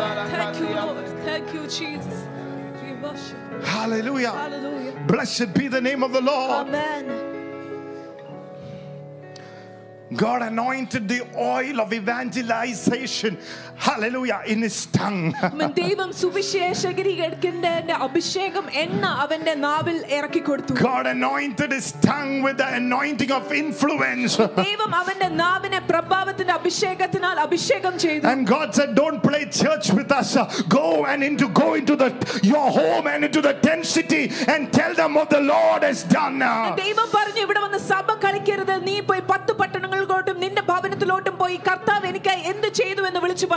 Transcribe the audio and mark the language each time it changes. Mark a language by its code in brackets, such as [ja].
[en] Thank you, Lord. Thank you, Jesus. We worship. Hallelujah. Hallelujah. Blessed be the name of the Lord. Amen. God anointed the oil of evangelization, hallelujah, in his tongue. [ml] ദൈവം സുവിശേഷകരിക്കുന്നതിന്റെ അഭിഷേകം എന്ന അവന്റെ നാവിൽ ഇറക്കി കൊടുത്തു. [en] God anointed his tongue with the anointing of influence. [ml] ദൈവം അവന്റെ നാവിനെ പ്രഭാവത്തിന്റെ അഭിഷേകത്തിനാൽ അഭിഷേകം ചെയ്തു. [en] And God said, don't play church with us. Go into your home and into the tent city and tell them what the Lord has done. [ml] ദൈവം പറഞ്ഞു, ഇവിടെ വന്ന് സഭ കളിക്കരുത്, നീ പോയി 10 പട്ടണങ്ങളിലോട്ടും നിന്റെ ഭവനത്തിലോട്ടും പോയി കർത്താവ് എനിക്ക് എന്ത് ചെയ്തു എന്ന് വിളിച്ചു.